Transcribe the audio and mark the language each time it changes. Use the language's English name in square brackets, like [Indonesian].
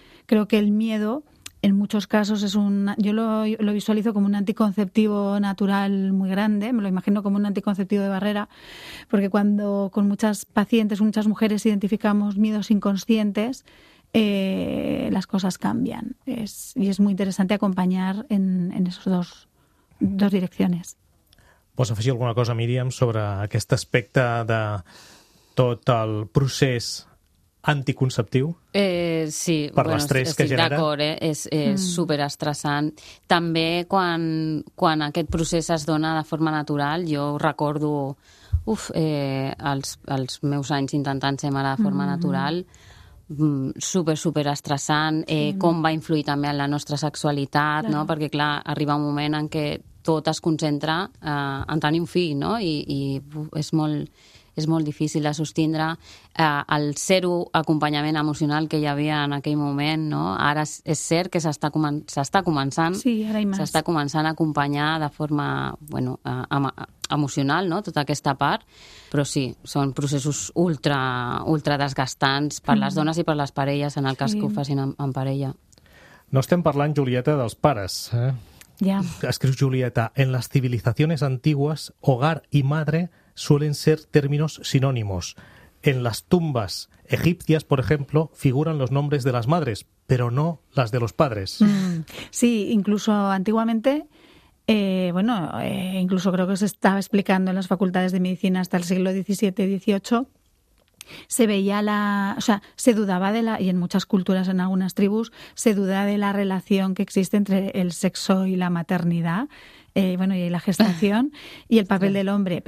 [Spanish] Creo que el miedo en muchos casos es un, yo lo visualizo como un anticonceptivo natural muy grande, me lo imagino como un anticonceptivo de barrera, porque cuando con muchas pacientes, muchas mujeres identificamos miedos inconscientes, las cosas cambian. Y es muy interesante acompañar en esos dos direcciones. [Catalan] Vols afegir alguna cosa, Míriam, sobre aquest aspecte de tot el procés anticonceptiu? Sí, per l'estrès que genera. D'acord, és superestressant. També quan aquest procés es dona de forma natural, jo recordo els meus anys intentant ser mare de forma natural, super estressant, com va influir també en la nostra sexualitat, no? Perquè clar, arriba un moment en què tot es concentra en tenir un fill, no? I és molt difícil de sostindre. El zero acompanyament emocional que hi havia en aquell moment, no? Ara és cert que s'està començant. Sí, ara hi més. S'està començant a acompanyar de forma, bueno, emocional, no? Tota aquesta part. Però sí, són processos ultra, ultra desgastants per les dones i per les parelles, en el cas que ho facin en parella. No estem parlant, Julieta, dels pares, eh? [English] Yeah. [Spanish] Escriu Julieta, en las civilizaciones antiguas, hogar y madre suelen ser términos sinónimos. En las tumbas egipcias, por ejemplo, figuran los nombres de las madres, pero no las de los padres. Sí, incluso antiguamente, incluso creo que se estaba explicando en las facultades de medicina hasta el siglo XVII y XVIII, se veía se dudaba de la, y en muchas culturas, en algunas tribus, se duda de la relación que existe entre el sexo y la maternidad, y la gestación y el papel del hombre.